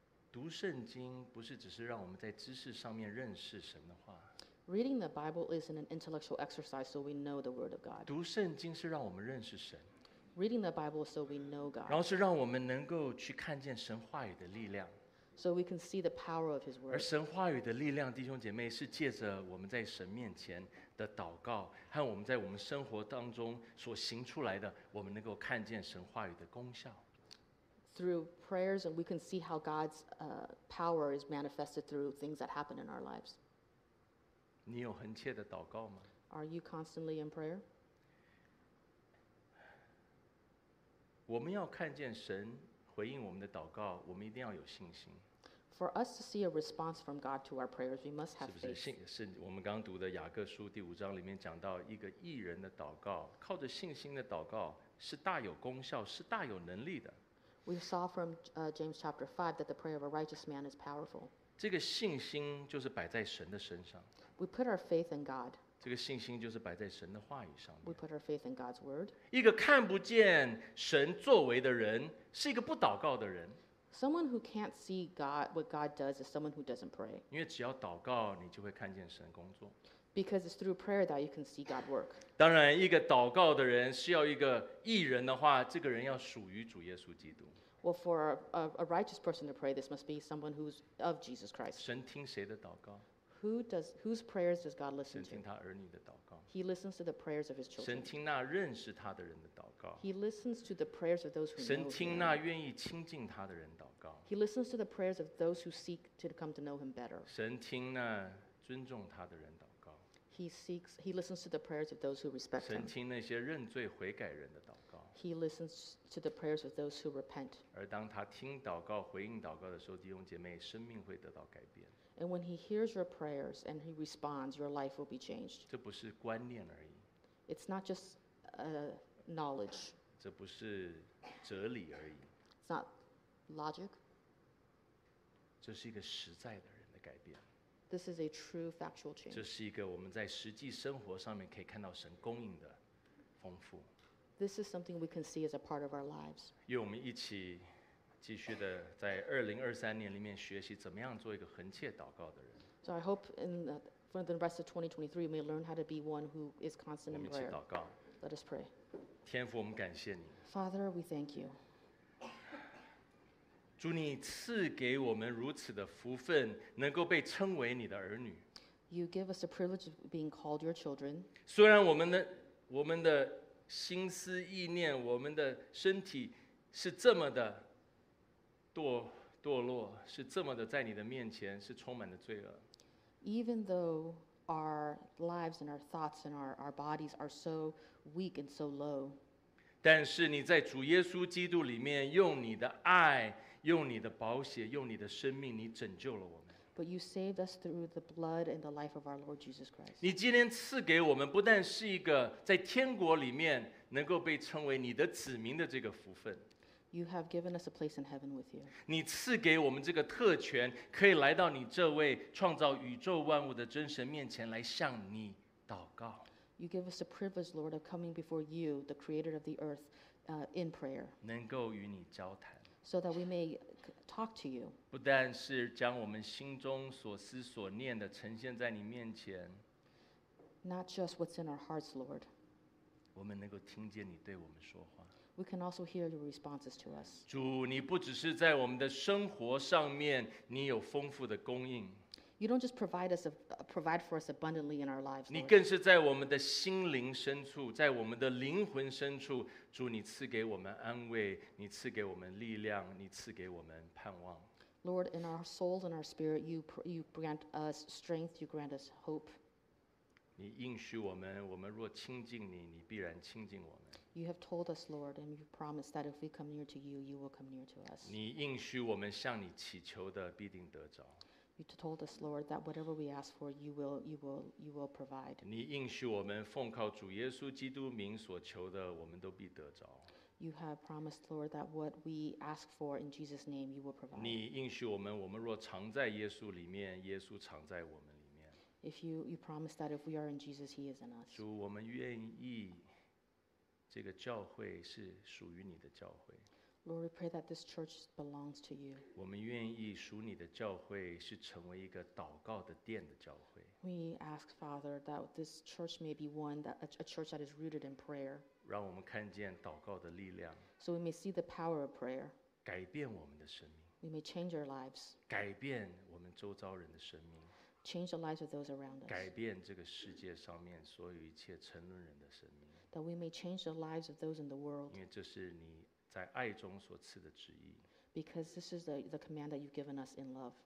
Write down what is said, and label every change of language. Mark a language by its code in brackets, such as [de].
[zh] 读圣经不是只是让我们在知识上面认识神的话 [en] Reading the Bible isn't an intellectual exercise, so we know the Word of God. [zh] 读圣经是让我们认识神。 [en] Reading the Bible so we know God. [zh] 然后是让我们能够去看见神话语的力量。 [en] So we can see the power of His word. [zh] 而神话语的力量，弟兄姐妹，是借着我们在神面前的祷告，和我们在我们生活当中所行出来的，我们能够看见神话语的功效。 [en] Through prayers, and we can see how God's power is manifested through things that happen in our lives. [zh] 你有恒切的祷告吗？ [en] Are you constantly in prayer? [zh] 我们要看见神回应我们的祷告，我们一定要有信心。 [en] For us to see a response from God to our prayers, we must have faith. [zh] 是不是信？是我们刚读的雅各书第五章里面讲到，一个义人的祷告，靠着信心的祷告，是大有功效，是大有能力的。 [en] We saw from James chapter 5 that the prayer of a righteous man is powerful. [zh] 这个信心就是摆在神的身上。 [en] We put our faith in God. [zh] 这个信心就是摆在神的话语上面。 [en] We put our faith in God's word. [zh] 一个看不见神作为的人，是一个不祷告的人。 [en] Someone who can't see God, what God does, is someone who doesn't pray. [zh] 因为只要祷告，你就会看见神工作。 [en] Because it's through prayer that you can see God work. [zh] 当然，一个祷告的人需要一个义人的话，这个人要属于主耶稣基督。 [en] Well, for a righteous person to pray, this must be someone who's of Jesus Christ. [zh] 神听谁的祷告？ [en] Whose prayers does God listen to? [zh] 神听他儿女的祷告。 [en] He listens to the prayers of his children. [zh] 神听那认识他的人的祷告。 [en] He listens to the prayers of those who know him. [zh] 神听那愿意亲近他的人祷告。 [en] He listens to the prayers of those who seek to come to know him better. [zh] 神听那尊重他的人祷告。 [en] He listens to the prayers of those who respect him. [zh] 神听那些认罪悔改人的祷告。 [en] He listens to the prayers of those who repent. [zh] 而当他听祷告回应祷告的时候，弟兄姐妹，生命会得到改变。 [en] And when he hears your prayers and he responds, your life will be changed. [zh] 这不是观念而已。 [en] It's not just knowledge. [zh] 这不是哲理而已。 [en] It's not logic. [zh] 这是一个实在的人的改变。 [en] This is a true factual change. [zh] 这是一个我们在实际生活上面可以看到神供应的丰富。 [en] This is something we can see as a part of our lives. [zh] 愿我们一起继续的在2023年里面学习怎么样做一个恒切祷告的人。 [en] So I hope in the, for the rest of 2023, we may learn how to be one who is constant in prayer. [zh] 我们一起祷告。 [en] Let us pray. [zh] 天父，我们感谢你。 [en] Father, we thank you. [zh] 主，你赐给我们如此的福分，能够被称为你的儿女。 [en] You give us the privilege of being called your children. [zh] 虽然我们的心思意念，我们的身体是这么的堕落，是这么的在你的面前是充满了罪恶。 [en] Even though our lives and our thoughts and our bodies are so weak and so low, [zh] 但是你在主耶稣基督里面用你的爱，用你的宝血，用你的生命，你拯救了我们。 [en] But you saved us through the blood and the life of our Lord Jesus Christ. [zh] 你今天赐给我们不但是一个在天国里面能够被称为你的子民的这个福分。 [en] You have given us a place in heaven with you. [zh] 你赐给我们这个特权，可以来到你这位创造宇宙万物的真神面前来向你祷告。 [en] You give us the privilege, Lord, of coming before you, the creator of the earth, in prayer. [zh] 能够与你交谈。 [en] So that we may talk to you. [zh] 不但是将我们心中所思所念的呈现在你面前。 [en] Not just what's in our hearts, Lord. [zh] 我们能够听见你对我们说话。 [en] We can also hear your responses to us. [zh] 主，你不只是在我们的生活上面，你有丰富的供应。 [en] You don't just provide for us abundantly in our lives. [zh] 你更是在我们的心灵深处，在我们的灵魂深处，主，你赐给我们安慰，你赐给我们力量，你赐给我们盼望。 [en] Lord, in our souls and our spirit, you grant us strength, you grant us hope. [zh] 你应许我们，我们若亲近你，你必然亲近我们。 [en] You have told us, Lord, and you promised that if we come near to you, you will come near to us. [zh] 你应许我们向你祈求的必定得着。 [en] You told us, Lord, that whatever we ask for, you will provide. [zh] 你应许我们奉靠主耶稣基督名所求的，我们都必得着。 [en] You have promised, Lord, that what we ask for in Jesus' name, you will provide. [zh] 你应许我们，我们若常在耶稣里面，耶稣常在我们里面。 [en] If you promise that if we are in Jesus, He is in us. [zh] 主，我们愿意这个教会是属于你的教会。 [en] Lord, we pray that this church belongs to you. [zh] 我们愿意属你的教会是成为一个祷告的殿的教会。 [en] We ask, Father, that this church may be one that a church that is rooted in prayer. [zh] 让我们看见祷告的力量。 [en] So we may see the power of prayer. [zh] 改变我们的生命。 [en] We may change our lives. [zh] 改变我们周遭人的生命。 [en] Change the lives of those around us. [zh] 改变这个世界上面所有一切沉沦人的生命。 [en] That we may change the lives of those in the world. [zh] 因为这是你在爱中所赐的旨意。 [en] Because this is the command that you've given us in love.